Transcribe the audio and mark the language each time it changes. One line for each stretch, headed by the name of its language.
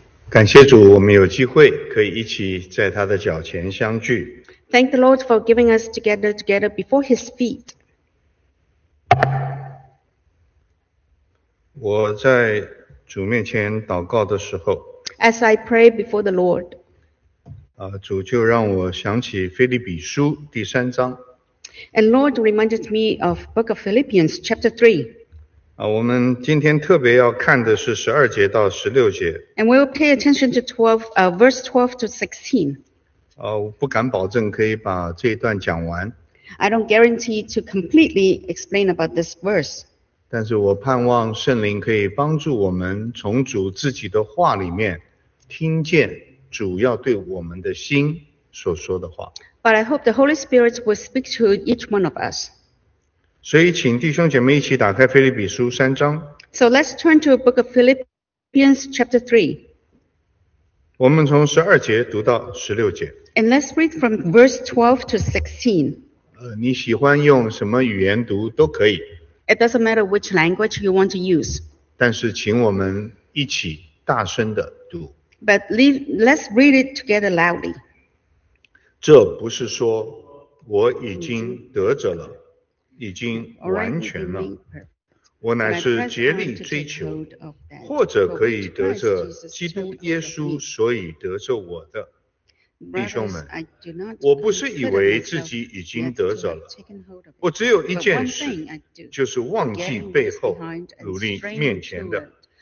Chinese: 感谢主，我们有机会可以一起在他的脚前相聚。
English: Thank the Lord for giving us together before His feet.
Chinese: 我在主面前祷告的时候
English: ，As I pray before the Lord，
Chinese: 主就让我想起腓立比书第三章。
English: And Lord reminded me of Book of Philippians chapter 3.
Chinese: 我们今天特别要看的是十二节到十六节。
English: And we'll pay attention to verse 12 to 16.
Chinese: 我不敢保证可以把这一段讲完。
English: I don't guarantee to completely explain about this verse.
Chinese: 但是我盼望圣灵可以帮助我们从主自己的话里面听见主要对我们的心所说的话。
English: But I hope the Holy Spirit will speak to each one of us.
Chinese: 所以请弟兄姐妹一起打开腓立比书三章。
English: So let's turn to the book of Philippians chapter 3.
Chinese: 我们从十二节读到十六节。
English: And let's read from verse 12 to 16.
Chinese: 你喜欢用什么语言读都可以。
English: It doesn't matter which language you want to use.
Chinese: 但是请我们一起大声地读。
English: But let's read it together loudly.
Chinese: 这不是说我已经得着了，已经完全了。我乃是竭力追求，或者可以得着基督耶稣，所以得着我的。弟兄们，我不是以为自己已经得着了，我只有一件事，就是忘记背后，努力面前的。